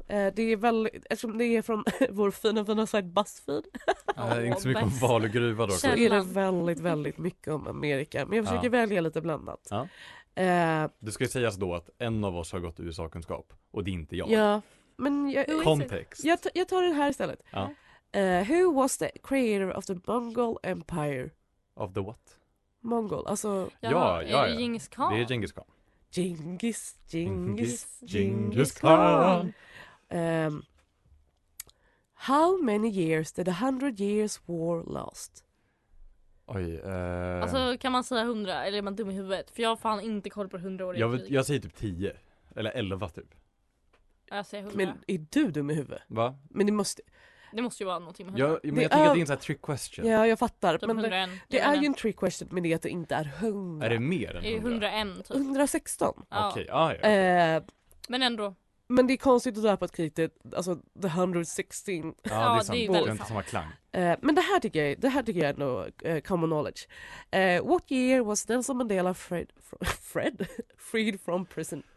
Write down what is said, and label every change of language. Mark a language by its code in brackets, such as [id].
[sv] Det är väl, eftersom det är från vår fina site BuzzFeed. Inte så mycket om Falugruva då. Så är det väldigt, väldigt mycket om Amerika. Men jag försöker välja lite blandat. Ja. Det ska ju sägas då att en av oss har gått USA-kunskap. Och det är inte jag. Ja. Men jag tar det här istället. Ja. [en] Who was the creator of the Mongol Empire? Of the what? [sv] Mongol, alltså... Ja. Är det Genghis Khan? Det är Genghis Khan. Genghis Khan! [en] How many years did the 100 years war last? [sv] Oj. Alltså, kan man säga 100? Eller är man dum i huvudet? För jag har fan inte koll på 100 år. Jag säger typ 10. Eller 11 typ. Men är du dum i huvudet? Va? Men det måste ju vara någonting med huvudet. Ja, men jag tänker att det är en sån här [en] trick question. [sv] Ja, jag fattar. Typ men det är ju en [en] trick question, [sv] men det är att det inte är 100. Är det mer än 100? Det är 101 typ. 116. Ja. Okej, okay. Men ändå. Men det är konstigt att döpa ett krig till, alltså, the 116. Ja, det är sant. Det är inte samma klang. Men det här tycker jag är nog [en] common knowledge. What year was Nelson Mandela freed from prison?